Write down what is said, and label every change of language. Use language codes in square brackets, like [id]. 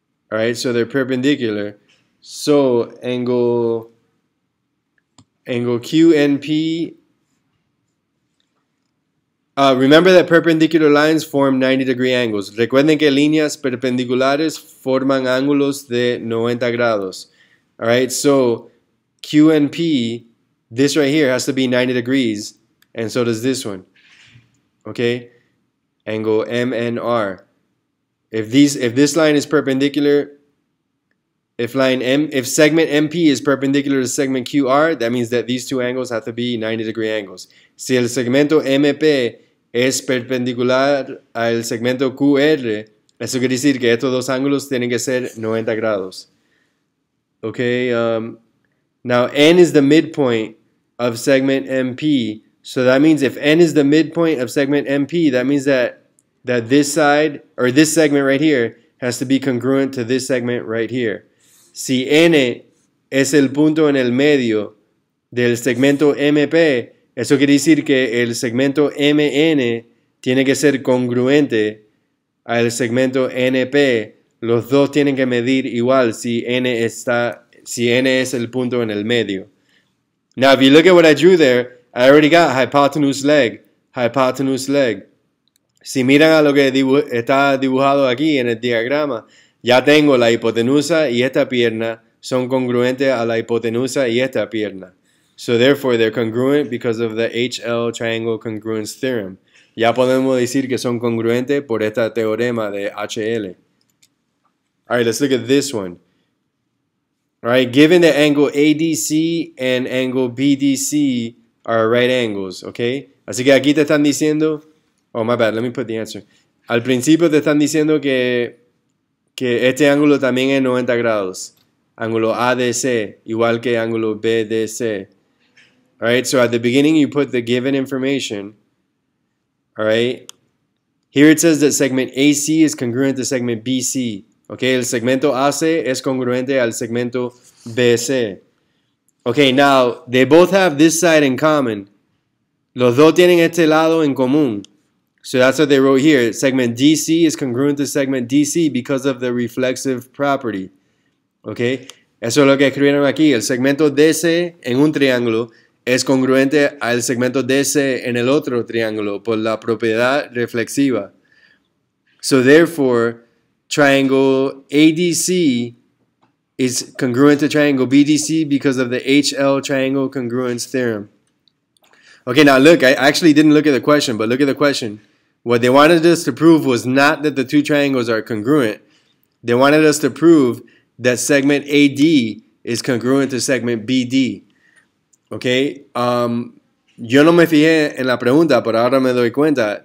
[en] All right, so they're perpendicular. So angle QNP. Remember that perpendicular lines form 90 degree angles. [es] Recuerden que líneas perpendiculares forman ángulos de 90 grados. [en] All right, so QNP. This right here has to be 90 degrees, and so does this one. Okay? Angle MNR. If segment MP is perpendicular to segment QR, that means that these two angles have to be 90 degree angles. [es] Si el segmento MP es perpendicular al segmento QR, eso quiere decir que estos dos ángulos tienen que ser 90 grados. Okay? [en] Now, N is the midpoint of segment MP. So that means if N is the midpoint of segment MP, that means that this side, or this segment right here, has to be congruent to this segment right here. [es] Si N es el punto en el medio del segmento MP, eso quiere decir que el segmento MN tiene que ser congruente al segmento NP. Los dos tienen que medir igual si N está, si n es el punto en el medio. [en] Now, if you look at what I drew there, I already got hypotenuse leg, hypotenuse leg. [es] Si miran a lo que está dibujado aquí en el diagrama, ya tengo la hipotenusa y esta pierna son congruentes a la hipotenusa y esta pierna. [en] So therefore, they're congruent because of the HL triangle congruence theorem. [es] Ya podemos decir que son congruentes por esta teorema de HL. [en] All right, let's look at this one. All right, given that angle ADC and angle BDC are right angles, okay? [es] Así que aquí te están diciendo, [en] oh my bad, let me put the answer. [es] Al principio te están diciendo que este ángulo también es 90 grados. Ángulo ADC, igual que ángulo BDC. [en] All right, so at the beginning you put the given information. All right, here it says that segment AC is congruent to segment BC. [es] Okay, el segmento AC es congruente al segmento BC. [en] Okay, now, they both have this side in common. [es] Los dos tienen este lado en común. [en] So that's what they wrote here. Segment DC is congruent to segment DC because of the reflexive property. [es] Okay, eso es lo que escribieron aquí. El segmento DC en un triángulo es congruente al segmento DC en el otro triángulo por la propiedad reflexiva. [en] So therefore, triangle ADC is congruent to triangle BDC because of the HL triangle congruence theorem. Okay, now look, I actually didn't look at the question, but look at the question. What they wanted us to prove was not that the two triangles are congruent. They wanted us to prove that segment AD is congruent to segment BD. [es] Okay, yo no me fijé en la pregunta, pero ahora me doy cuenta.